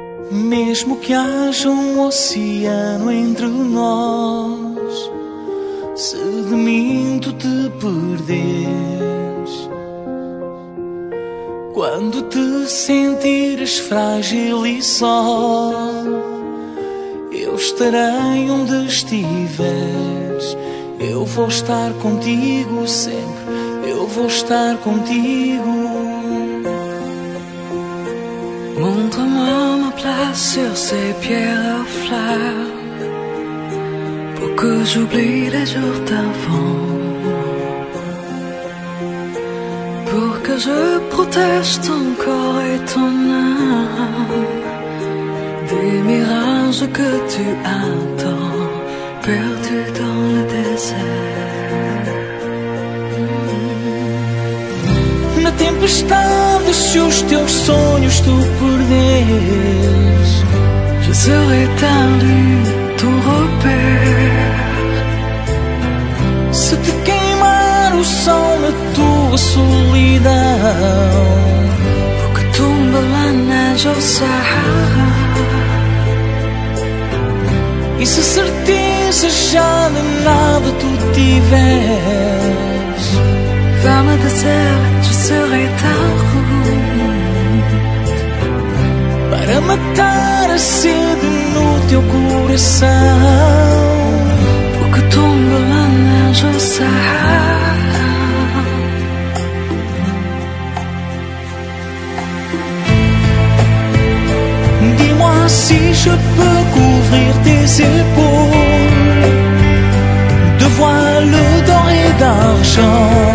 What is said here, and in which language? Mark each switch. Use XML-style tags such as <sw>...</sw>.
<pt>Mesmo que haja um oceano entre nós, se de mim tu te perderes, quando te sentires frágil e só, eu estarei onde estiveres. Eu vou estar contigo sempre, eu vou estar contigo.</pt> <fr>Montre-moi ma place sur ces pierres aux fleurs, pour que j'oublie les jours d'avant, pour que je protège ton corps et ton âme des mirages que tu attends, perdu dans le désert.</fr> <pt>Na tempestade, se os teus sonhos tu perdes,</pt> <fr>je serai ta lune, ton repère.</fr> <pt>Se te queimar o sol na tua solidão,</pt> <fr>pour que tombe la neige au Sahara.</fr> <pt>E se certeza já de nada tu tiveres,</pt> <fr>ferme deserto, je serai ta route,</fr> <pt>para matar a sede no teu coração,</pt> <fr>pour que tombe la neige au Sahara. Si je peux couvrir tes épaules de voiles d'or et d'argent,</fr>